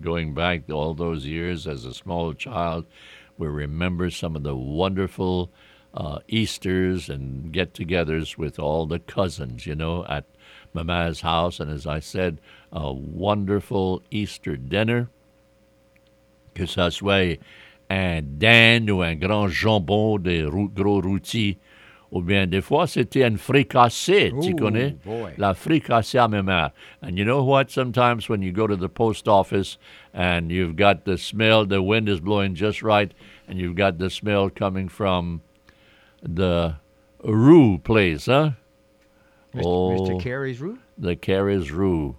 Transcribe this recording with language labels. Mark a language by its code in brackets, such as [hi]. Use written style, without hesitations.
[en] Going back all those years as a small child, we remember some of the wonderful Easters and get-togethers with all the cousins, you know, at Mama's house, and as I said, a wonderful Easter dinner. [fr] Que ça soit un dinde ou un grand jambon de gros rôti, ou bien des fois c'était un fricassée, tu connais? [en] Boy. [fr] La fricassée à ma mère. [en] And you know what? Sometimes when you go to the post office and you've got the smell, the wind is blowing just right, and you've got the smell coming from the roux place, huh? Mr. Carey's roux? The Carey's roux.